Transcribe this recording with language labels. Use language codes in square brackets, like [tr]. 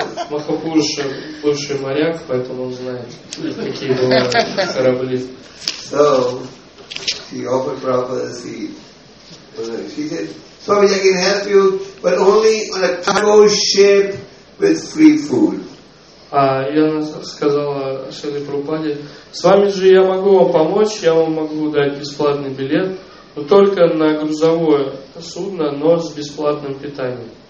[ru] Махапурш бывший моряк, поэтому он знает, какие бывают корабли. [en] So, she offered Prabhupada a seat. She said, Swami, I can help you, but only on a cargo ship with free food. [ru] И она сказала Шриле Прабхупаде, с вами же я могу вам помочь, я вам могу дать бесплатный билет, но только на грузовое судно, но с бесплатным питанием.